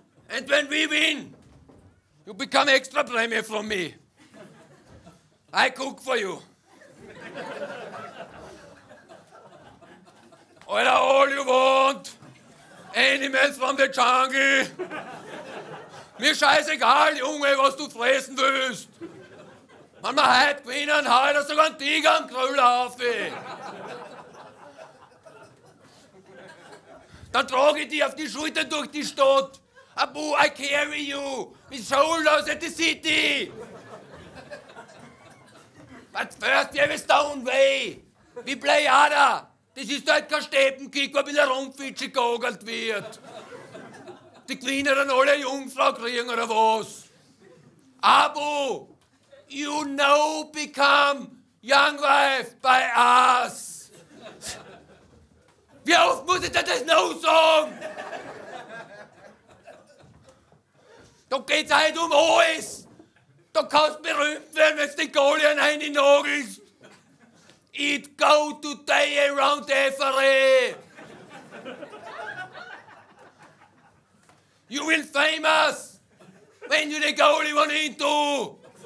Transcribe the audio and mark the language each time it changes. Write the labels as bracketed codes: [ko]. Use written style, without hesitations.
[en] And when we win, you become extra premier from me. I cook for you. All you want, animals from the jungle. [de] Mir scheißegal, Junge, was du fressen willst. Wenn wir heute gewinnen, hau ich sogar einen Tiger am Grill auf. Dann trage ich dich auf die Schulter durch die Stadt. [en] Abu, I carry you. My shoulders at the city. But first you have a stone way. We play harder. [de] Das ist halt kein Steppenkick, wo wieder rumfitschig gegagelt wird. Die Queen dann alle Jungfrau kriegen, oder was? [en] Abu, you now become young wife by us. [de] Wie oft muss ich dir das noch sagen? Da geht's halt um alles. Da kannst du berühmt werden, wenn du die Goliath reinnagelst. [en] It go today around every. You will famous when you the goalie one into.